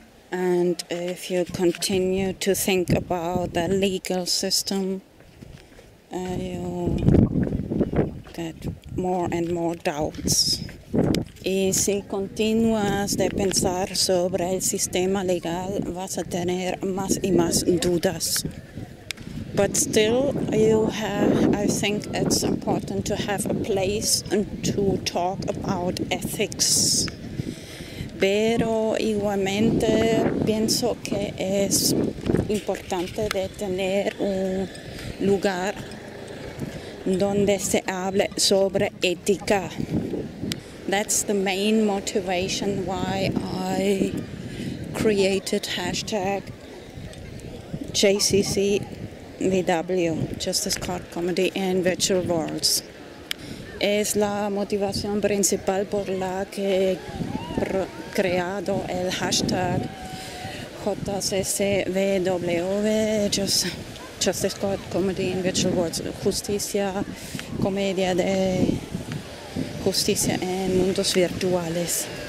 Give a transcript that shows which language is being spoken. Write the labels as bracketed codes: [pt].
[en] And if you continue to think about the legal system, you get more and more doubts. [es] Y si continúas de pensar sobre el sistema legal, vas a tener más y más dudas. [en] But still, I think it's important to have a place to talk about ethics. [es] Pero igualmente pienso que es importante de tener un lugar donde se hable sobre ética. [en] That's the main motivation why I created hashtag JCCVW, Justice Card Comedy in Virtual Worlds. [es] Es la motivación principal por la que creado el hashtag JCCVW, Justice Card Comedy in Virtual Worlds, justicia, comedia de justicia en mundos virtuales.